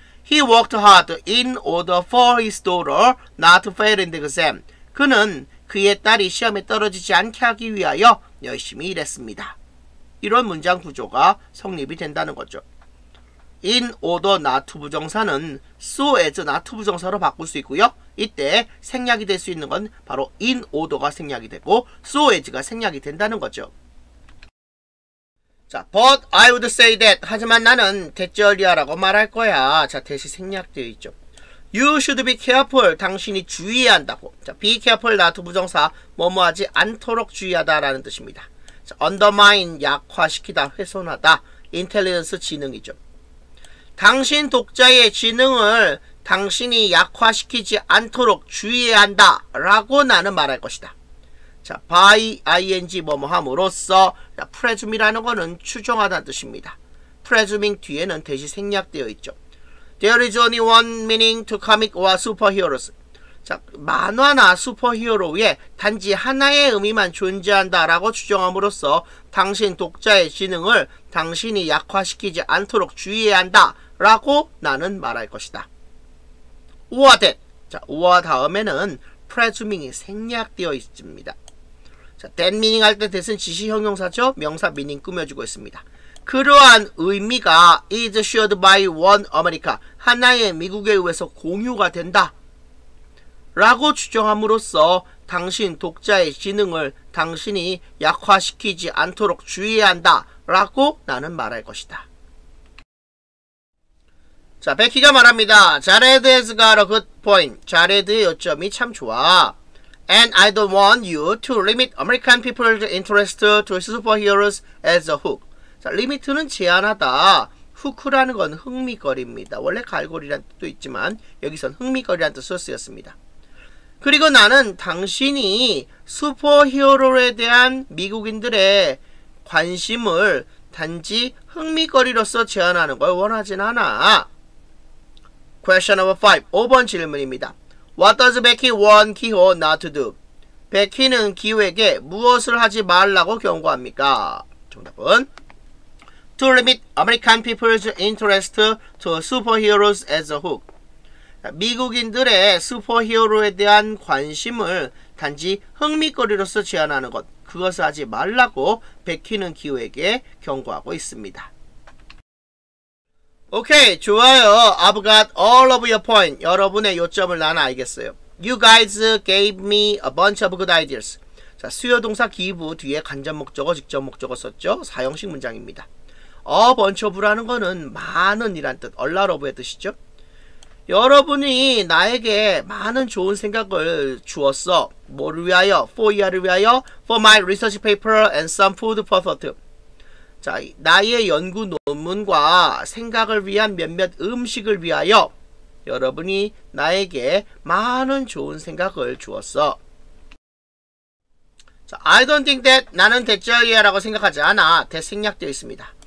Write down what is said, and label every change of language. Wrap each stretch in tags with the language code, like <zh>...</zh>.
<en>He worked hard in order for his daughter not to fail in the exam.</en> <ko>그는 그의 딸이 시험에 떨어지지 않게 하기 위하여 열심히 일했습니다. 이런 문장 구조가 성립이 된다는 거죠.</ko> <en>In order not to 부정사는 so as not to</en> <ko>부정사로 바꿀 수 있고요. 이때 생략이 될 수 있는 건 바로 in order가 생략이 되고 so as가 생략이 된다는 거죠.</ko> <en>자, but I would say that.</en> <ko>하지만 나는 대절이야라고 말할 거야. 자, 대시 생략되어 있죠.</ko> <en>You should be careful.</en> <ko>당신이 주의해야 한다고. 자,</ko> <en>be careful.</en> <ko>나도 부정사. 뭐뭐하지 않도록 주의하다라는 뜻입니다. 자, undermine. 약화시키다. 훼손하다. intelligence. 지능이죠. 당신 독자의 지능을 당신이 약화시키지 않도록 주의해야 한다. 라고 나는 말할 것이다. 자, by, ing, 뭐뭐함으로써, presume이라는 거는 추정하다는 뜻입니다. presuming 뒤에는 대시 생략되어 있죠.</ko> <en>There is only one meaning to comic or superheroes.</en> <ko>자, 만화나 슈퍼히어로에 단지 하나의 의미만 존재한다라고 추정함으로써 당신 독자의 지능을 당신이 약화시키지 않도록 주의해야 한다. 라고 나는 말할 것이다.</ko> <en>or that.</en> <ko>자, or 다음에는 presuming이 생략되어 있습니다. 자, that meaning 할 때 대신 지시 형용사죠. 명사 meaning 꾸며주고 있습니다. 그러한 의미가</ko> <en>is shared by one America.</en> <ko>하나의 미국에 의해서 공유가 된다. 라고 추정함으로써 당신 독자의 지능을 당신이 약화시키지 않도록 주의해야 한다. 라고 나는 말할 것이다. 자, 베키가 말합니다.</ko> <en>Jared has got a good point.</en> <ko>Jared의 요점이 참 좋아.</ko> <en>And I don't want you to limit American people's interest to superheroes as a hook.</en> <ko>자, 리미트는 제한하다. 후크라는 건 흥미거리입니다. 원래 갈고리란 뜻도 있지만 여기선 흥미거리란 뜻으로 쓰였습니다. 그리고 나는 당신이 슈퍼히어로에 대한 미국인들의 관심을 단지 흥미거리로서 제한하는 걸 원하진 않아.</ko> <en>Question number 5.</en> <ko>5번 질문입니다.</ko> <en>What does Becky warn Kehoe not to do?</en> <ko>베키는 기호에게 무엇을 하지 말라고 경고합니까? 정답은</ko> <en>To limit American people's interest to superheroes as a hook.</en> <ko>미국인들의 슈퍼히어로에 대한 관심을 단지 흥미거리로서 제한하는 것. 그것을 하지 말라고 베키는 기호에게 경고하고 있습니다. 오케이, 좋아요.</ko> <en>I've got all of your point.</en> <ko>여러분의 요점을 나는 알겠어요.</ko> <en>You guys gave me a bunch of good ideas.</en> <ko>자, 수요동사 give 뒤에 간접 목적어, 직접 목적어 썼죠? 사형식 문장입니다. A bunch of라는 거는 많은 이란 뜻, a lot of의 뜻이죠? 여러분이 나에게 많은 좋은 생각을 주었어. 뭐를 위하여? For you를 위하여?</ko> <en>For my research paper and some food for thought.</en> <ko>자, 나의 연구 논문과 생각을 위한 몇몇 음식을 위하여 여러분이 나에게 많은 좋은 생각을 주었어. 자,</ko> <en>I don't think that</en> <ko>나는 대짜야 라고 생각하지 않아. 대 생략되어 있습니다.</ko>